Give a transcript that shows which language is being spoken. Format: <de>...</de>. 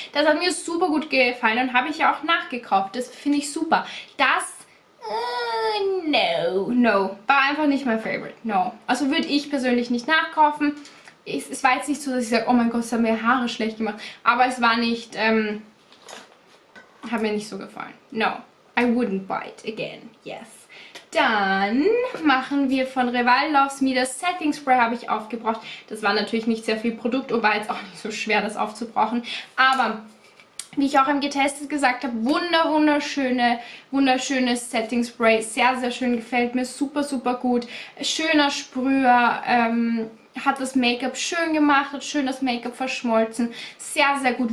<de>Das hat mir super gut gefallen und habe ich ja auch nachgekauft. Das finde ich super. Das, no. War einfach nicht mein Favorite, no. Also würde ich persönlich nicht nachkaufen. Es war jetzt nicht so, dass ich sage, oh mein Gott, das hat mir Haare schlecht gemacht. Aber es war nicht, hat mir nicht so gefallen.</de> <en>No, I wouldn't buy it again, yes.</en> <de>Dann machen wir von Reval Loves Me das Setting Spray, habe ich aufgebraucht. Das war natürlich nicht sehr viel Produkt und war jetzt auch nicht so schwer, das aufzubrauchen. Aber wie ich auch im Getestet gesagt habe, wunderschönes Setting Spray. Sehr, sehr schön, gefällt mir super, super gut. Schöner Sprüher, hat das Make-up schön gemacht, hat schön das Make-up verschmolzen. Sehr, sehr gut.</de>